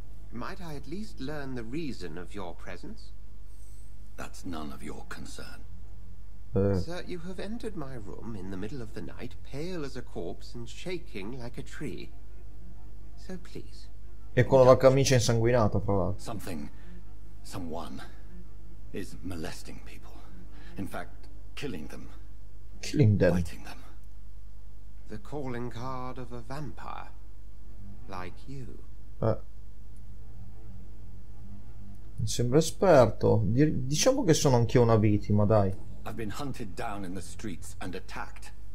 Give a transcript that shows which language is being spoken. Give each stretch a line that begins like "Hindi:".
English: Might I at least learn the reason of your presence? That's none of your concern. Sir, you have entered my room in the middle of the night, pale as a corpse and shaking like a tree. So please.
Italian: E con la camicia insanguinata, fra l'altro.
English: Something, someone is molesting people. In fact, killing them. Killing them. Biting them. The calling card of a vampire, like you.
Italian: Mi sembra esperto. Diciamo che sono anch'io una vittima, dai.
English: I've been hunted down in the streets and attacked.